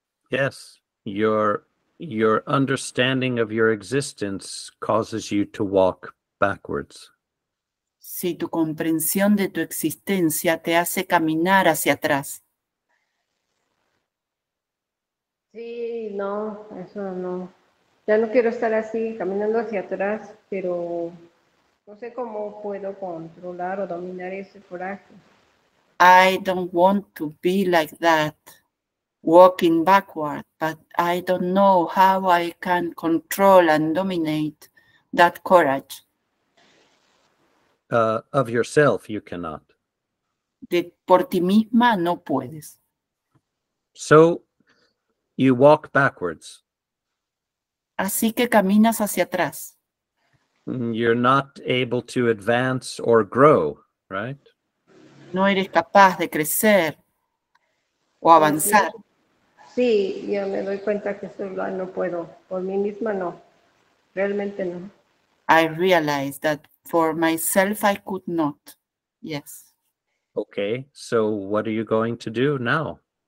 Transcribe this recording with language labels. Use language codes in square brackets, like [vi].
[en] Yes, your understanding of your existence causes you to walk backwards. [es] Sí, tu comprensión de tu existencia te hace caminar hacia atrás. Sí, no, eso no. Ya no quiero estar así, caminando hacia atrás, pero no sé cómo puedo controlar o dominar ese coraje. [en] I don't want to be like that, walking backward, but I don't know how I can control and dominate that courage. Of yourself, you cannot. [es] De por ti misma no puedes. [en] So, you walk backwards. [es] Así que caminas hacia atrás. [en] You're not able to advance or grow, right? [es] No eres capaz de crecer o avanzar. Sí, yo me doy cuenta que solo no puedo. Por mí misma no. Realmente no. [en] I realize that for myself I could not. Yes. Okay, so what are you going to do now?